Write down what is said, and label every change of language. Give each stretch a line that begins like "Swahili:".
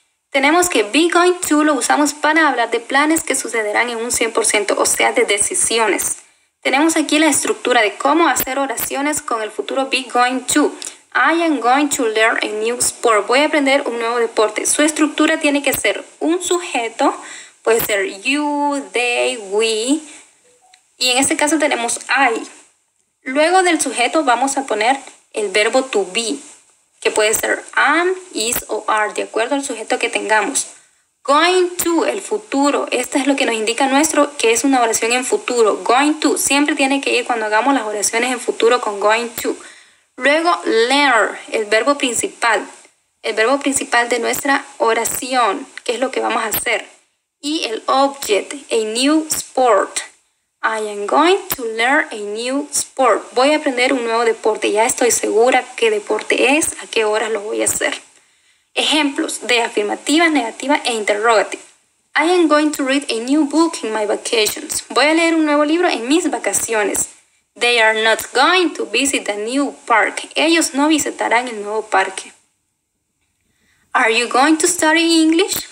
Spanish: Tenemos que be going to lo usamos para hablar de planes que sucederán en un 100%, o sea, de decisiones. Tenemos aquí la estructura de cómo hacer oraciones con el futuro be going to.
English: I am going to learn a new sport.
Spanish: Voy a aprender un nuevo deporte. Su estructura tiene que ser un sujeto, puede ser you, they, we, y en este caso tenemos I. Luego del sujeto vamos a poner el verbo to be, que puede ser am, is o are, de acuerdo al sujeto que tengamos. Going to, el futuro, esto es lo que nos indica nuestro, que es una oración en futuro. Going to, siempre tiene que ir cuando hagamos las oraciones en futuro con going to. Luego, learn, el verbo principal de nuestra oración, que es lo que vamos a hacer.
English: Y el object, a new sport. I am going to learn a new sport.
Spanish: Voy a aprender un nuevo deporte. Ya estoy segura qué deporte es, a qué horas lo voy a hacer. Ejemplos de afirmativa, negativa e interrogative.
English: I am going to read a new book in my vacations.
Spanish: Voy a leer un nuevo libro en mis vacaciones.
English: They are not going to visit the new park.
Spanish: Ellos no visitarán el nuevo parque.
English: Are you going to study English?